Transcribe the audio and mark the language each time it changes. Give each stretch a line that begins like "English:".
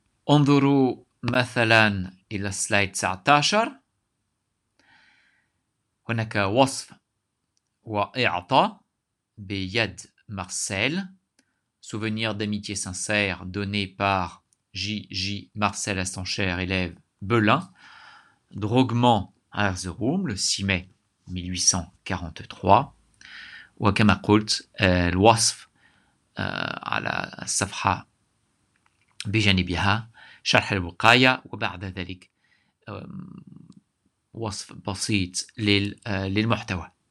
Arabic: انظروا مثلا إلى سلايد 19، هناك وصف وإعطاء بيد مارسيل،
French: souvenir d'amitié sincère donné par J.J. Marcel à son cher élève Belin, droguement à Erzurum le 6 mai 1843.
Arabic: وكما قلت الوصف على الصفحة بجانبها شرح الوقاية، وبعد ذلك وصف بسيط للمحتوى.